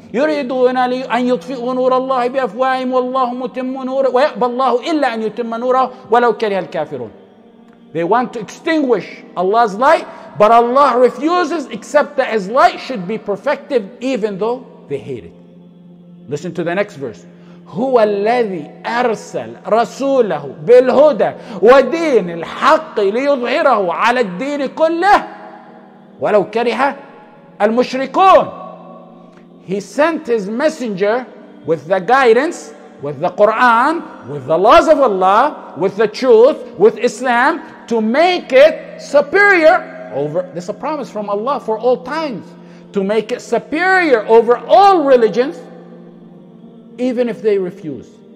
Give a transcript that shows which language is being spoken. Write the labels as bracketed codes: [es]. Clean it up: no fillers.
[ar] يُرِيدُونَ أَن يُطْفِئُوا نُورَ اللَّهِ بِأَفْوَاهِمْ وَاللَّهُ مُتِمُّ نُورَهُ وَيَأْبَى اللَّهُ إِلَّا أَن يُتِمَّ نُورَهُ وَلَوْ كَرِهَ الْكَافِرُونَ. [en] They want to extinguish Allah's light, but Allah refuses except that His light should be perfected even though they hate it. Listen to the next verse. [ar] هُوَ الَّذِي أَرْسَلْ رَسُولَهُ بِالْهُدَى وَدِينِ الْحَقِّ لِيُظْهِرَهُ عَلَى الدِّينِ كُلِّهِ وَلَوْ كَرِهَ الْمُشْرِكُونَ. [en] He sent His Messenger with the guidance, with the Quran, with the laws of Allah, with the truth, with Islam, to make it superior over, this is a promise from Allah for all times, to make it superior over all religions, even if they refuse.